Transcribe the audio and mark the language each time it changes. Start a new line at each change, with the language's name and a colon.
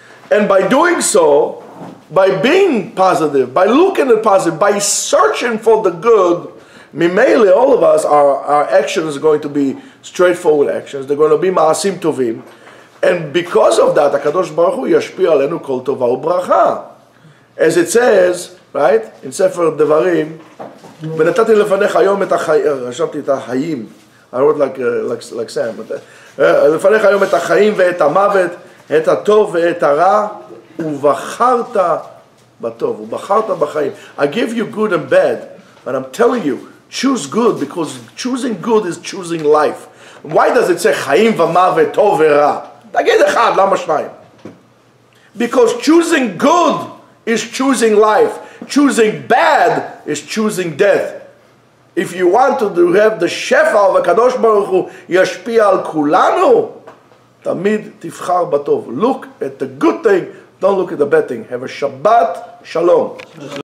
English: And by doing so, by being positive, by looking at positive, by searching for the good, mimele, all of us, our actions are going to be straightforward actions. They're going to be
Hebrew: ma'asim tovim.
English: And because of that,
Hebrew: HaKadosh Baruch Hu yashpi alenu kol tova u'bracha. As it says, right, in Sefer Devarim, ונתתי לפניך היום את החיים, רשמתי את החיים,
English: I wrote like Sam, but
Hebrew: לפניך היום את החיים ואת המוות, את הטוב ואת הרע, ובחרת בטוב, ובחרת בחיים.
English: I give you good and bad, but I'm telling you, choose good, because choosing good is choosing life. Why does it say
Hebrew: חיים ומוות, טוב ורע? תגיד אחד, למה שניים?
English: Because choosing good is choosing life. Choosing bad is choosing death. If you want to have the שפע of
Hebrew: הקדוש ברוך הוא ישפיע על כולנו, תמיד תבחר בטוב.
English: Look at the good thing, don't look at the bad thing. Have a Shabbat, Shalom.